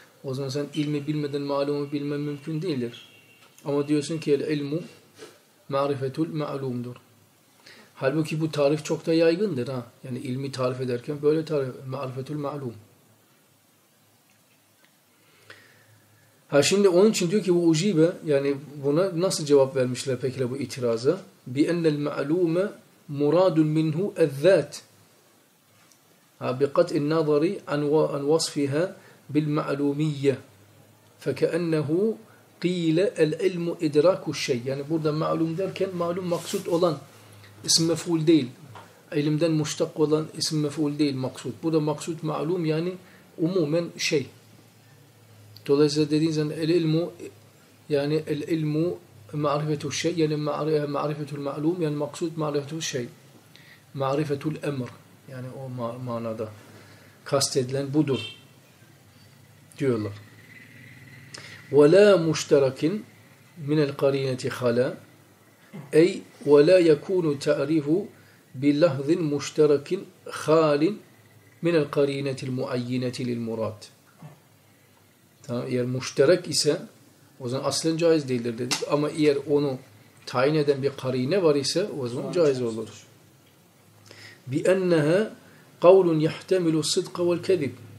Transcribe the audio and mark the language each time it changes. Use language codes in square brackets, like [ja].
[tr] O zaman sen ilmi bilmeden malumu bilmen mümkün değildir. Ama diyorsun ki el-ilmu ma'rifetul ma'lumdur. Halbuki bu tarif çok da yaygındır. Ha? Yani ilmi tarif ederken böyle tarif. Ma'rifetul ma'lum. Ha şimdi onun için diyor ki bu ucibe, yani buna nasıl cevap vermişler peki bu itiraza? [ar] بِأَنَّ الْمَعْلُومَ مُرَادٌ مِنْهُ اَذَّاتِ بقطع النظر عن وصفها بالمعلومية فكأنه قيل العلم إدراك الشيء. [tr] يعني burada ma'lum derken ma'lum maksut olan isim mef'ul değil. İlimden muştak olan isim mef'ul değil maksut. Burada maksut ma'lum yani umumen şey. Dolayısıyla dediğin zaman el-ilmu yani el-ilmu ma'rifetul şey yani ma'rifetul ma'lum yani maksut ma'rifetul şey. Ma'rifetul emr. Yani o manada kastedilen budur diyorlar. [ar] وَلَا مُشْتَرَكٍ مِنَ الْقَرِينَةِ خَلَى اَيْ وَلَا يَكُونُ تَعْرِفُ بِاللَّهْذٍ مُشْتَرَكٍ خَالٍ مِنَ الْقَرِينَةِ الْمُعَيِّنَةِ لِلْمُرَادِ. [tr] Tamam, eğer müşterek ise o zaman aslen caiz değildir dedik. Ama eğer onu tayin eden bir karine var ise o zaman caiz olur. [ar] بأنها قول يحتمل الصدق والكذب.